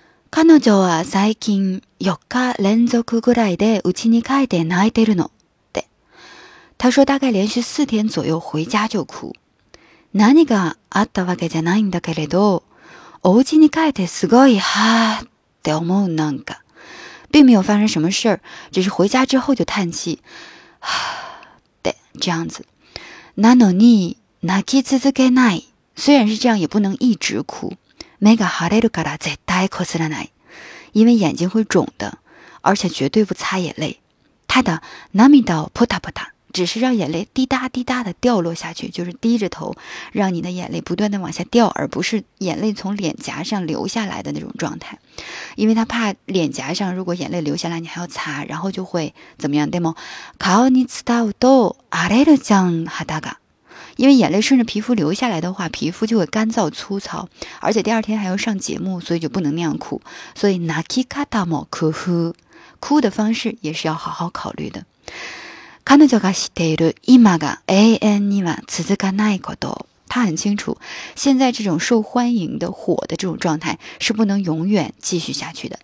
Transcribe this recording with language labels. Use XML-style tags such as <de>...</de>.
<ja>彼女は最近4日連続ぐらいで家に帰って泣いてるの。</ja> <zh>で、他说大概连续四天左右回家就哭。</zh> <ja>何があったわけじゃないんだけれど、お家に帰ってすごいはーって思うなんか、</ja> <zh>并没有发生什么事儿，只是回家之后就叹气，对，这样子。</zh> <ja>なのに泣き続けない，</ja> <zh>虽然是这样，也不能一直哭。</zh> <ja>目が腫れるから絶対こすらない，</ja> <zh>因为眼睛会肿的，而且绝对不擦眼泪。</zh> <ja>ただ涙をポタポタ，</ja> <zh>只是让眼泪滴答滴答的掉落下去，就是低着头，让你的眼泪不断的往下掉，而不是眼泪从脸颊上流下来的那种状态。因为他怕脸颊上如果眼泪流下来，你还要擦，然后就会怎么样？对吗？</zh> <ja>顔に伝うと荒れるじゃん、肌が。</ja> <zh>因为眼泪顺着皮肤流下来的话，皮肤就会干燥粗糙，而且第二天还要上节目，所以就不能那样哭。所以</zh> <ja>泣き方も工夫，</ja> <zh>哭的方式也是要好好考虑的。</zh> <ja>彼女が知っている今が永遠には続かないこと，</ja> <zh>他很清楚，现在这种受欢迎的火的这种状态是不能永远继续下去的。</zh>